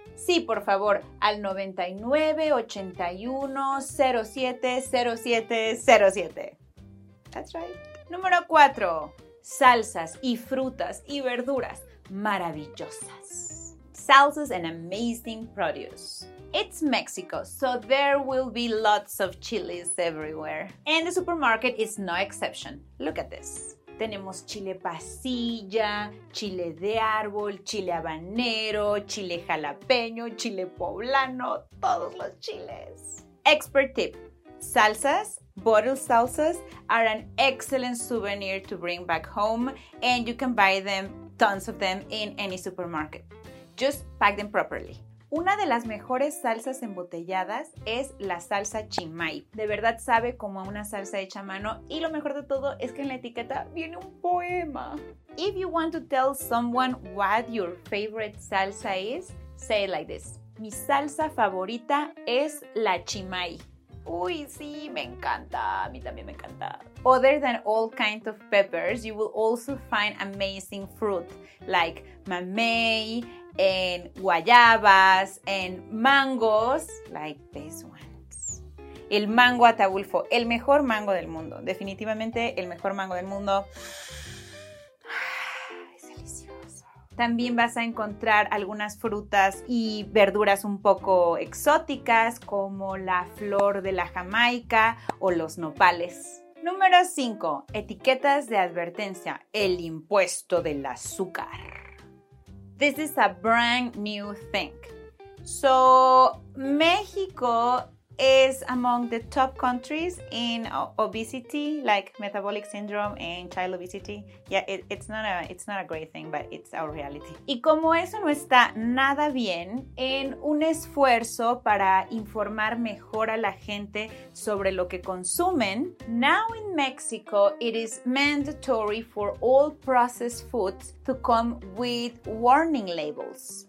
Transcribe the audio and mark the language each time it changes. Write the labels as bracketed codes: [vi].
[es] Sí, por favor, al 99-81-07-07-07. [en] That's right. [es] Número 4. Salsas y frutas y verduras maravillosas. [en] Salsas and amazing produce. It's Mexico, so there will be lots of chilies everywhere. And the supermarket is no exception. Look at this. [es] Tenemos chile pasilla, chile de árbol, chile habanero, chile jalapeño, chile poblano, todos los chiles. [en] Expert tip, salsas, bottled salsas, are an excellent souvenir to bring back home, and you can buy them, tons of them, in any supermarket. Just pack them properly. [es] Una de las mejores salsas embotelladas es la salsa chimay. De verdad sabe como a una salsa hecha a mano y lo mejor de todo es que en la etiqueta viene un poema. [en] If you want to tell someone what your favorite salsa is, say it like this. [es] Mi salsa favorita es la chimay. Uy, sí, me encanta. [en] A mí también me encanta. Other than all kinds of peppers, you will also find amazing fruit like mamey, and guayabas, and mangos, like these ones. [es] El mango Ataulfo, el mejor mango del mundo. Definitivamente el mejor mango del mundo. Es delicioso. También vas a encontrar algunas frutas y verduras un poco exóticas, como la flor de la Jamaica o los nopales. Número 5, etiquetas de advertencia, el impuesto del azúcar. [en] This is a brand new thing. So, Mexico is among the top countries in obesity, like metabolic syndrome and child obesity. Yeah, it's not a great thing, but it's our reality. [es] Y como eso no está nada bien, en un esfuerzo para informar mejor a la gente sobre lo que consumen, [en] now in Mexico, it is mandatory for all processed foods to come with warning labels.